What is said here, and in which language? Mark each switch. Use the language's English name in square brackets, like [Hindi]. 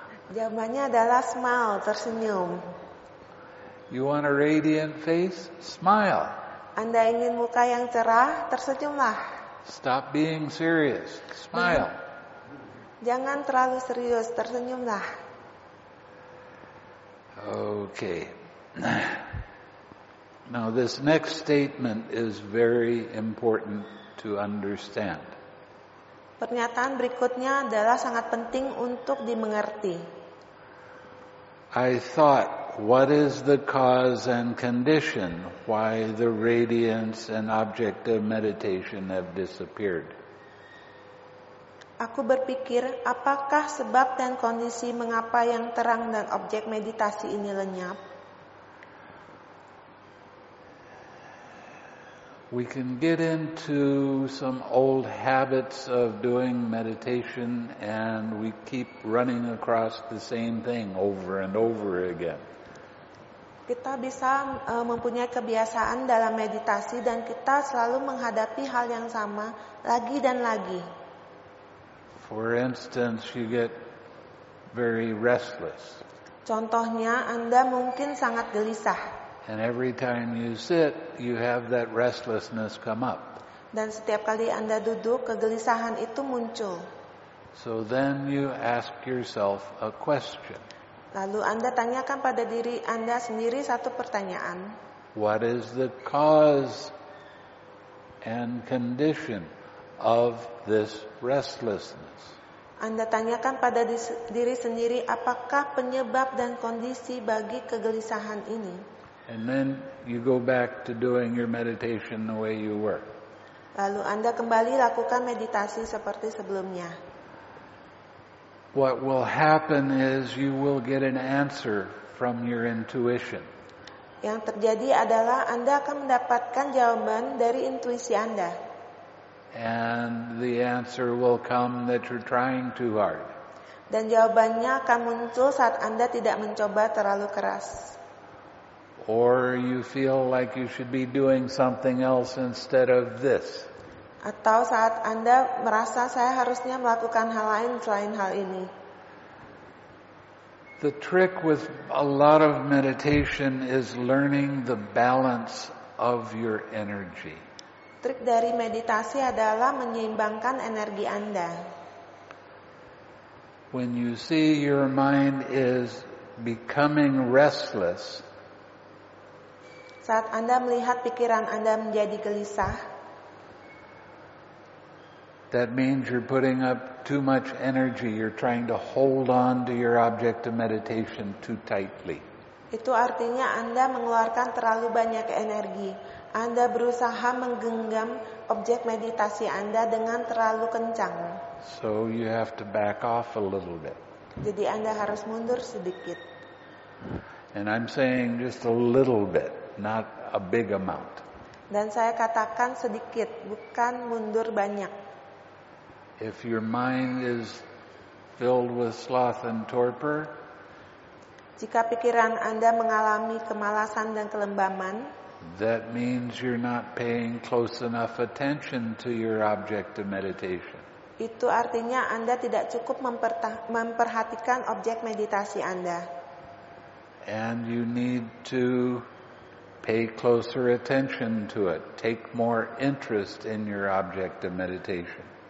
[Indonesian] Jawabannya adalah smile, tersenyum. [English] You want a radiant face? Smile. [Indonesian] Anda ingin muka yang cerah, tersenyumlah. [English] Stop being serious. Smile. [Indonesian] Jangan terlalu serius, tersenyumlah. [English] Okay. Now this next statement is very important to understand. [Indonesian] Pernyataan berikutnya adalah sangat penting untuk dimengerti. [English] I thought, what is the cause and condition why the radiance and object of meditation have disappeared? [Indonesian] Aku berpikir, apakah sebab dan kondisi mengapa yang terang dan objek meditasi ini lenyap? [English] We can get into some old habits of doing meditation and we keep running across the same thing over and over again. [Indonesian] Kita bisa mempunyai kebiasaan dalam meditasi dan kita selalu menghadapi hal yang sama lagi dan lagi. [English] For instance, you get very restless. [Indonesian] Contohnya, Anda mungkin sangat gelisah. [English] And every time you sit, you have that restlessness come up. [Indonesian] Dan setiap kali Anda duduk, kegelisahan itu muncul. [English] So then you ask yourself a question. [Indonesian] Lalu Anda tanyakan pada diri Anda sendiri satu pertanyaan. [English] What is the cause and condition of this restlessness? [Indonesian] Anda tanyakan pada diri sendiri apakah penyebab dan kondisi bagi kegelisahan ini? [English] And then you go back to doing your meditation the way you were. [Indonesian] Lalu Anda kembali lakukan meditasi seperti sebelumnya. [English] What will happen is you will get an answer from your intuition. [Indonesian] Yang terjadi adalah Anda akan mendapatkan jawaban dari intuisi Anda. [English] And the answer will come that you're trying too hard. [Indonesian] Dan jawabannya akan muncul saat Anda tidak mencoba terlalu keras. [English] Or you feel like you should be doing something else instead of this. [Indonesian] Atau saat Anda merasa saya harusnya melakukan hal lain selain hal ini. [English] The trick with a lot of meditation is learning the balance of your energy. [Indonesian] Trik dari meditasi adalah menyeimbangkan energi Anda. [English] When you see your mind is becoming restless, [Indonesian] saat Anda melihat pikiran Anda menjadi gelisah, [English] that means you're putting up too much energy. You're trying to hold on to your object of meditation too tightly. [Indonesian] Itu artinya Anda mengeluarkan terlalu banyak energi. Anda berusaha menggenggam objek meditasi Anda dengan terlalu kencang. [English] So you have to back off a little bit. [Indonesian] Jadi Anda harus mundur sedikit. [English] And I'm saying just a little bit, not a big amount. [Indonesian] Dan saya katakan sedikit, bukan mundur banyak. [English] If your mind is filled with sloth and torpor, [Indonesian] jika pikiran Anda mengalami kemalasan dan kelembaman, [English] that means you're not paying close enough attention to your object of meditation. [Indonesian] Itu artinya Anda tidak cukup memperhatikan objek meditasi Anda. [English] And you need to pay closer attention to it. Take more interest in your object of meditation.